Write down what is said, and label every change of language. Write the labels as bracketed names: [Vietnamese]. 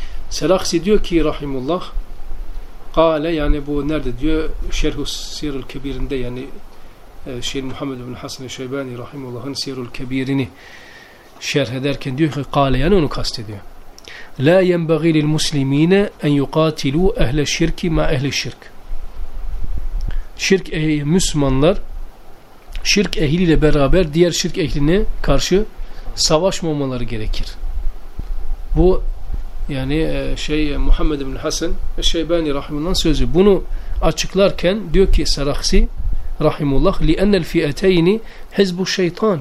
[Turkish] Seraksil diyor ki Rahimullah Kale yani bu nerede diyor Şerhü Sirül Kebir'inde yani Şeyh Muhammed bin Hasan Şeybani Rahimullah'ın Sirül Kebir'ini şerh ederken diyor ki Kale yani onu kastediyor. [Arabic] لا ينبغي للمسلمين أن يقاتلوا أهل الشرك مع أهل الشرك. [Turkish] Şirk ehli Müslümanlar, şirk ehliyle beraber diğer şirk ehline karşı savaşmamaları gerekir. Bu yani Muhammed bin Hasan Şeybani rahimullah'ın sözü. Bunu açıklarken diyor ki Seraksi rahimullah [Arabic] لِأَنَّ الْفِيَتَيْنِ حِزْبُ الشَّيْطَانِ.